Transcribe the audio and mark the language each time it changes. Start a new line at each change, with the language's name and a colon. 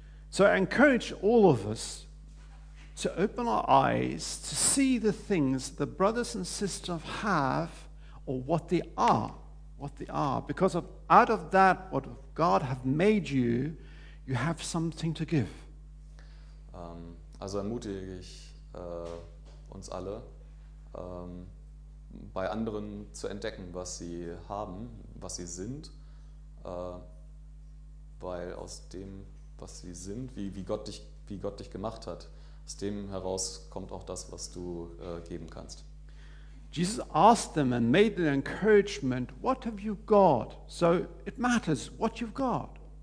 English: So I encourage all of us to open our eyes to see the things the brothers and sisters have or what they are, because of out of that what God have made you, you have something to give.
German: Also ermutige ich uns alle, bei anderen zu entdecken, was sie haben, was sie sind, weil aus dem, was sie sind, wie Gott dich gemacht hat, aus dem heraus kommt auch das, was du geben kannst.
English: Jesus asked them and made an encouragement, what have you got? So it matters what you've got.